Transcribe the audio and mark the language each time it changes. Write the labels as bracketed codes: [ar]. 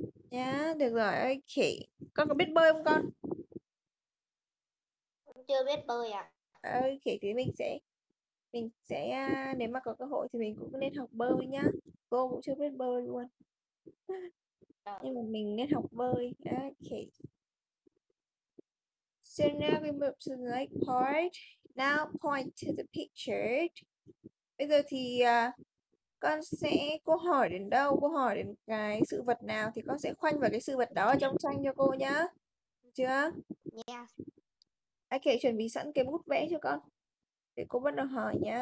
[vi] Nhá, được rồi, ok. Con có biết bơi không con? Chưa biết bơi Ok, thì mình sẽ nếu mà có cơ hội thì mình cũng nên học bơi nhá. Cô cũng chưa biết bơi luôn. à. Nhưng mà mình nên học bơi. Ok. [en] So now we move to the next part. Now point to the picture. [vi] Bây giờ thì con sẽ cô hỏi đến đâu, cô hỏi đến cái sự vật nào thì con sẽ khoanh vào cái sự vật đó ở trong tranh cho cô nhá. Chưa? [en] Yes. [vi] Ok, chuẩn bị sẵn cái bút vẽ cho con. Để cô bắt đầu hỏi nhá.